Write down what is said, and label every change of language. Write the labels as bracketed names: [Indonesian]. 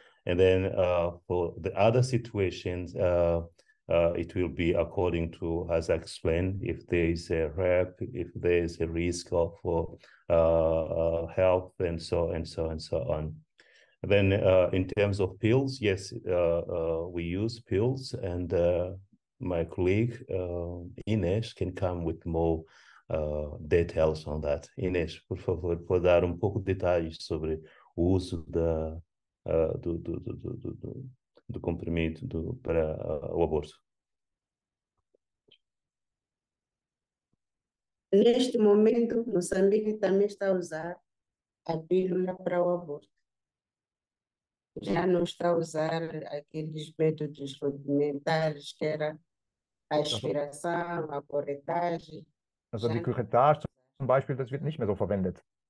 [English] And then for the other situations, it will be according to, as I explained, if there is a rape, if there is a risk for health, and so on. Then in terms of pills, yes, we use pills, and my colleague Ines can come with more details on that. [Portuguese] Ines, por favor, pode dar pouco de detalhes sobre o uso da do comprimido do para o aborto. Neste momento, Moçambique também está a usar a pílula para o aborto. Já não está a usar aqueles métodos rudimentares, que era a aspiração, a corretagem. [German] Also die Curettage zum Beispiel, das wird nicht mehr so verwendet.